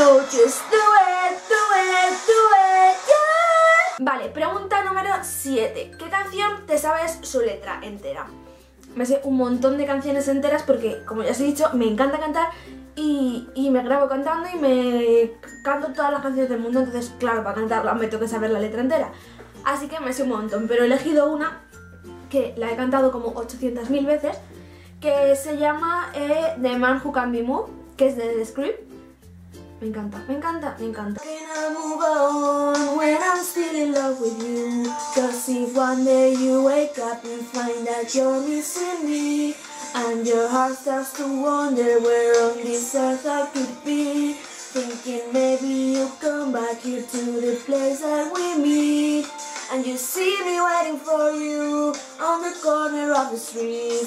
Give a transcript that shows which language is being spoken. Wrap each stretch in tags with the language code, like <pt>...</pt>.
<en>Just do it, do it, do it, yeah.</en> <es>Vale, pregunta número 7. ¿qué canción te sabes su letra entera? Me sé un montón de canciones enteras porque, como ya os he dicho, me encanta cantar y me grabo cantando y me canto todas las canciones del mundo. Entonces, claro, para cantarla me tengo que saber la letra entera. Así que me sé un montón, pero he elegido una que la he cantado como 800.000 veces, que se llama The Man Who Can Be Moved, que es de The Script. Me encanta, me encanta, me encanta.</es> <en>Can I move on when I'm still in love with you? Cause if one day you wake up and find that you're missing me, and your heart starts to wonder where on this earth I could be, thinking maybe you'll come back here to the place that we meet, and you see me waiting for you on the corner of the street.</en>